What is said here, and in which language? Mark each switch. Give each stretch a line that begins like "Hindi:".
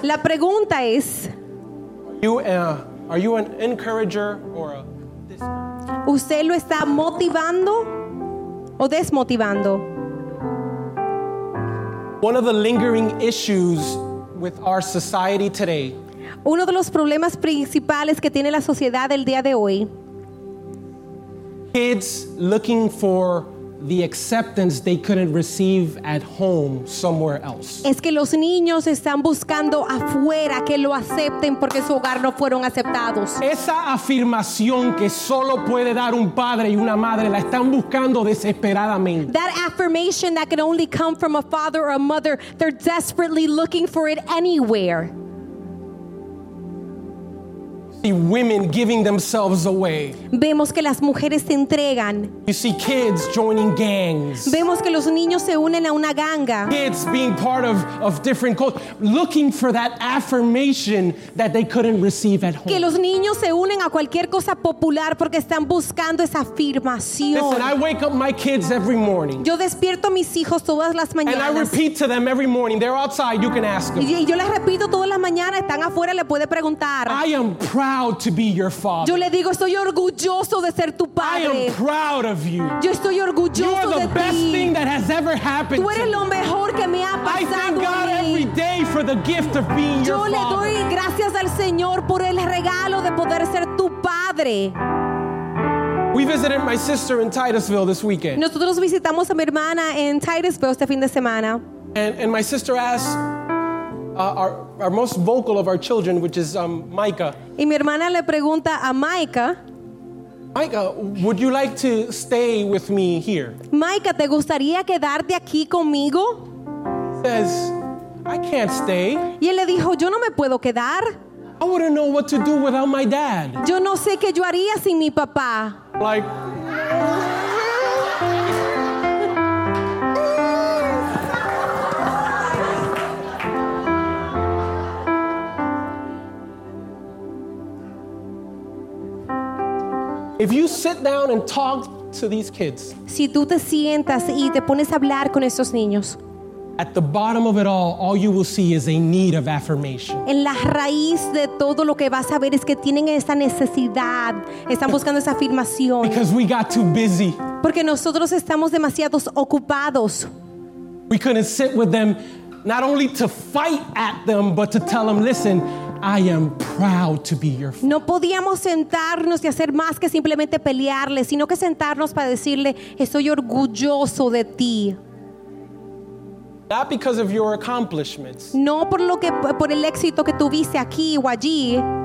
Spanish: La pregunta es.
English: Are you an encourager or a discourager?
Spanish: ¿Usted lo está motivando o desmotivando?
English: One of the lingering issues with our society today.
Spanish: Uno de los problemas principales que tiene la sociedad el día de hoy.
English: Kids looking for the acceptance they couldn't receive at home somewhere else.
Spanish: Es que los niños están buscando afuera que lo acepten porque su hogar no fueron aceptados. Esa afirmación que solo puede dar un padre y una madre la están buscando desesperadamente.
English: That affirmation that can only come from a father or a mother, they're desperately looking for it anywhere. See women giving themselves away.
Spanish: Vemos que las mujeres se entregan.
English: You see kids joining gangs.
Spanish: Vemos que los niños se unen a una ganga.
English: Kids being part of different cults, looking for that affirmation that they couldn't receive at home.
Spanish: Que los niños se unen a cualquier cosa popular porque están buscando esa afirmación.
English: Listen, I wake up my kids every morning.
Spanish: Yo despierto a mis hijos todas las mañanas.
English: And I repeat to them every morning. They're outside. You can ask them.
Spanish: Y yo les repito todas las mañanas. Están afuera. Le puede preguntar.
English: I am proud. Proud to be your father.
Spanish: Yo le digo, estoy orgulloso de ser tu padre.
English: I am proud of you.
Spanish: Yo estoy orgulloso de ti.
English: You are the best
Spanish: ti.
English: Thing that has ever happened.
Spanish: Tú eres
English: to
Spanish: lo mejor que me ha pasado.
English: I thank God every day for the gift of being
Spanish: yo
English: your father.
Spanish: Yo le doy gracias al Señor por el regalo de poder ser tu padre.
English: We visited my sister in Titusville this weekend.
Spanish: Nosotros visitamos a mi hermana en Titusville este fin de semana.
English: And my sister asked. Our most vocal of our children, which is Micah.
Spanish: Y mi hermana le pregunta a Micah.
English: Micah, would you like to stay with me here?
Spanish: Micah, ¿te gustaría quedarte aquí conmigo?
English: Says, I can't stay.
Spanish: Y él le dijo, yo no me puedo quedar.
English: I wouldn't know what to do without my dad.
Spanish: Yo no sé qué yo haría sin mi papá.
English: Like. If you sit down and talk to these kids,
Spanish: si tú te sientas y te pones a hablar con estos niños,
English: at the bottom of it all you will see is a need of affirmation.
Spanish: En la raíz de todo lo que vas a ver es que tienen esa necesidad, están buscando esa afirmación.
English: Because we got too busy.
Spanish: Porque nosotros estamos demasiado ocupados.
English: We couldn't sit with them, not only to fight at them, but to tell them, listen, I am proud to be your father.
Spanish: No podíamos sentarnos y hacer más que simplemente pelearle, sino que sentarnos para decirle, estoy orgulloso de ti.
English: Not because of your accomplishments.
Spanish: No por lo que por el éxito que tuviste aquí o allí.